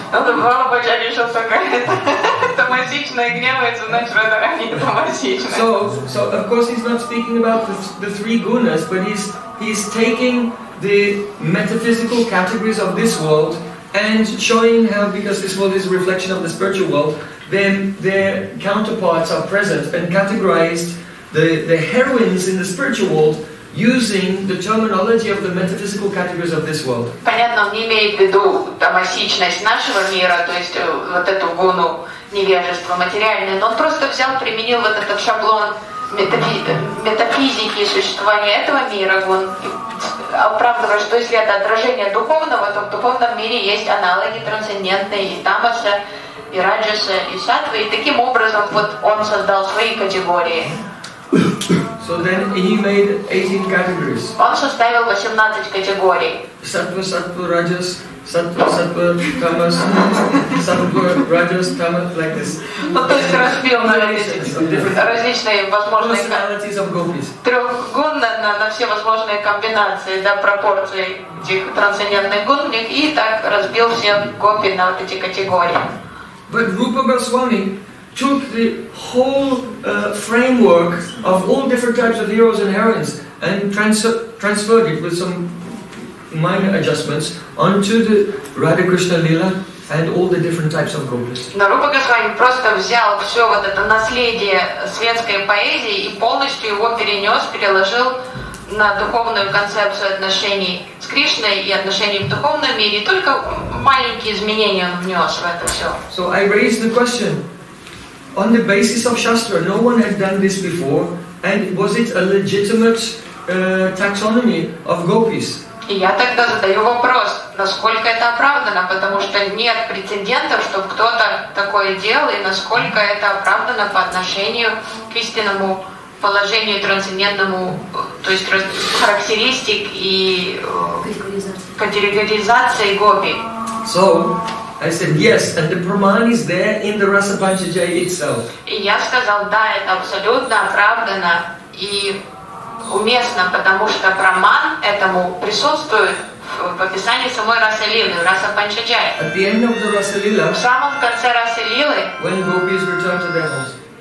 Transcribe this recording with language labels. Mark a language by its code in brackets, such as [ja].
[ru] Ну, то было бы, что еще такая тамасичная гневается, значит, это они тамасичные. [en] So, of course, he's not speaking about the three gunas, but he's taking the metaphysical categories of this world and showing how, because this world is a reflection of the spiritual world, then their counterparts are present and categorized the heroines in the spiritual world using the terminology of the metaphysical categories of this world. [ru] Понятно, он не имеет в виду там осичность нашего мира, то есть вот эту гуну невежества материальной, но он просто взял, применил вот этот шаблон метафизики существования этого мира, он оправдывает, что если это отражение духовного, то в духовном мире есть аналоги трансцендентные, и тамаса, и раджаса, и сатвы, и таким образом вот он создал свои категории. [en] So then he made 18 categories. [ru] Он составил 18 категорий. [sa] Сатва, сатва, раджас, сатва, сатва, тамас, сатва, раджас, тамас, [en] like this. [ru] Вот то есть разбил на различные возможные трехгун на все возможные комбинации, да, пропорции этих трансцендентных гун в них, и так разбил все гопи на вот эти категории. [en] But Rupa Goswami took the whole framework of all different types of heroes and heroines and transferred it with some minor adjustments onto the Radha Krishna Lila and all the different types of gopis. [ru] Rupa Goswami просто взял все вот это наследие светской поэзии и полностью его перенес, переложил на духовную концепцию отношений с Кришной и отношений в духовном мире. Только маленькие изменения он внес в это все. [en] So I raised the question. On the basis of Shastra, no one had done this before, and was it a legitimate taxonomy of gopis? [ru] И я тогда задаю вопрос, насколько это оправдано, потому что нет прецедентов, чтобы кто-то такое делал, и насколько это оправдано по отношению к истинному положению трансцендентному, то есть характеристик и категоризации гопи. [en] So, I said yes, and the Pramana is there in the Rasa Panchajaya itself. [ru] И я сказал да, это абсолютно оправдано и уместно, потому что Праман этому присутствует в описании самой Раса Лилы, Раса Панчаджая. [en] At the end of the Rasa Lila, [ru] в самом конце Раса Лилы, [en] when gopis return to their homes,